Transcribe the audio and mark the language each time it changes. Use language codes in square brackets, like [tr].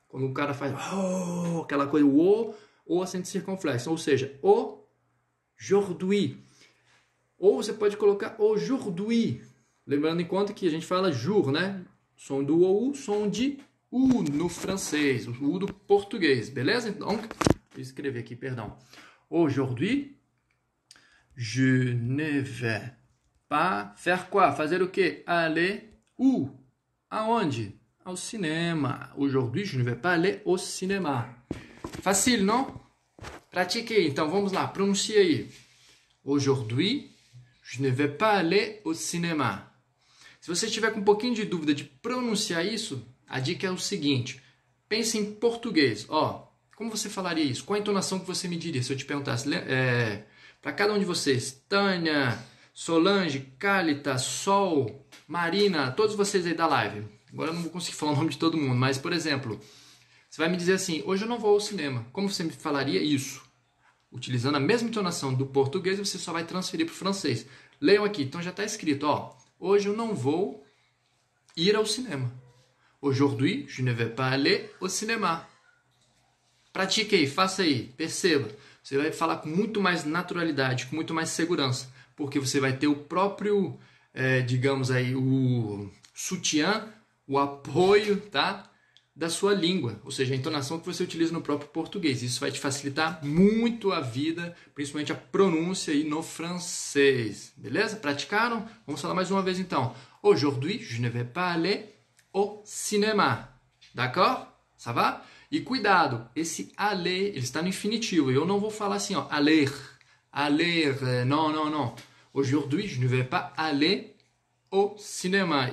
[pt] Quando o cara faz oh, aquela coisa, o. Ou acento circunflexo, ou seja, aujourd'hui. Ou você pode colocar aujourd'hui. Lembrando em conta que a gente fala jour, né? Som do OU, som de U no francês, o U do português, beleza? Então, vou escrever aqui, perdão. [fr] Aujourd'hui, je ne vais pas faire quoi? [pt] Fazer o quê? [fr] Aller où? [pt] Aonde? Ao cinema. [fr] Aujourd'hui, je ne vais pas aller au cinéma. [pt] Facile, não? Pratique aí, então vamos lá, pronuncie aí. [fr] Aujourd'hui, je ne vais pas aller au cinéma. [pt] Se você tiver com um pouquinho de dúvida de pronunciar isso, a dica é o seguinte: pense em português. Ó, como você falaria isso? Qual a entonação que você me diria se eu te perguntasse? Para cada um de vocês, Tânia, Solange, Cálita, Sol, Marina, todos vocês aí da live. Agora eu não vou conseguir falar o nome de todo mundo, mas por exemplo. Você vai me dizer assim, hoje eu não vou ao cinema. Como você me falaria isso? Utilizando a mesma entonação do português, você só vai transferir para o francês. Leiam aqui, então já está escrito, ó. Hoje eu não vou ir ao cinema. [fr] Aujourd'hui, je ne vais pas aller au cinéma. [pt] Pratique aí, faça aí, perceba. Você vai falar com muito mais naturalidade, com muito mais segurança, porque você vai ter o próprio, digamos aí, o sutiã, o apoio, tá? Da sua língua, ou seja, a entonação que você utiliza no próprio português. Isso vai te facilitar muito a vida, principalmente a pronúncia aí no francês. Beleza? Praticaram? Vamos falar mais uma vez então. [fr] Aujourd'hui, je ne vais pas aller au cinéma. D'accord? Ça va? [pt] E cuidado, esse aller, ele está no infinitivo. Eu não vou falar assim, ó, aller. Aller, não, não, não. [fr] Aujourd'hui, je ne vais pas aller au cinéma.